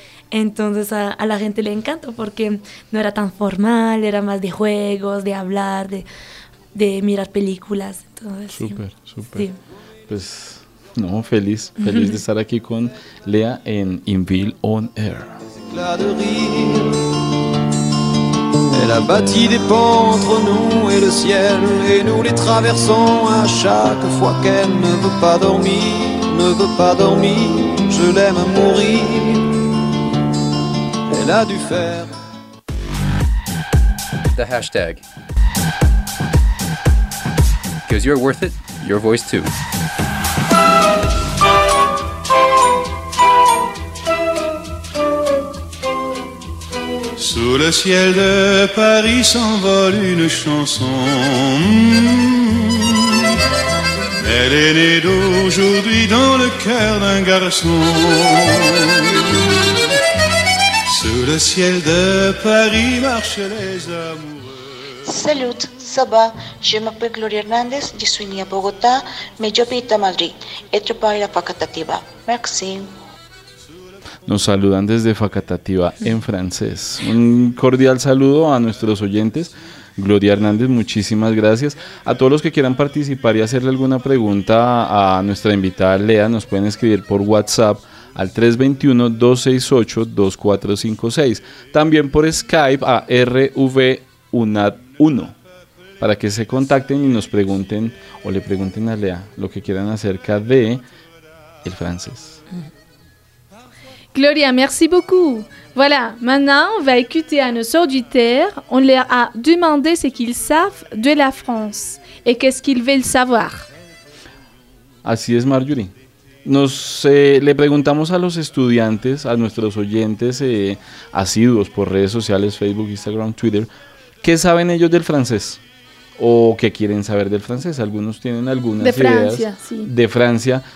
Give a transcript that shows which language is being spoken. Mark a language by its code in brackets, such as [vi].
[es] Entonces, a la gente le encantó porque no era tan formal, era más de juegos, de hablar, de mirar películas. Súper, súper. Sí. Pues, No, feliz, feliz de estar aquí con Lea en Inville on Air. [fr] Elle a bâti des ponts entre nous et le ciel, et nous les traversons à chaque fois qu'elle ne veut pas dormir, ne veut pas dormir, je l'aime mourir. Elle a dû faire [en] the hashtag. Cause you're worth it, your voice too. [fr] Sous le ciel de Paris s'envole une chanson. Elle est née d'aujourd'hui dans le cœur d'un garçon. Sous le ciel de Paris marchent les amoureux. Salut, ça va? Je m'appelle Gloria Hernandez, je suis née à Bogota, mais j'habite à Madrid. Et je parle la Facatativa. Merci. [es] Nos saludan desde Facatativa en francés. Un cordial saludo a nuestros oyentes. Gloria Hernández, muchísimas gracias. A todos los que quieran participar y hacerle alguna pregunta a nuestra invitada Lea, nos pueden escribir por WhatsApp al 321-268-2456. También por Skype a RVUNAT1. Para que se contacten y nos pregunten o le pregunten a Lea lo que quieran acerca de el francés. [fr] Gloria, merci beaucoup. Voilà, maintenant on va écouter à nos auditeurs. On leur a demandé ce qu'ils savent de la France et qu'est-ce qu'ils veulent savoir. [es] Así es, Marjorie. Le preguntamos a los estudiantes, a nuestros oyentes asiduos por redes sociales, Facebook, Instagram, Twitter, ¿qué saben ellos del francés? ¿O qué quieren saber del francés? Algunos tienen algunas ideas. De Francia, ideas, sí. De Francia.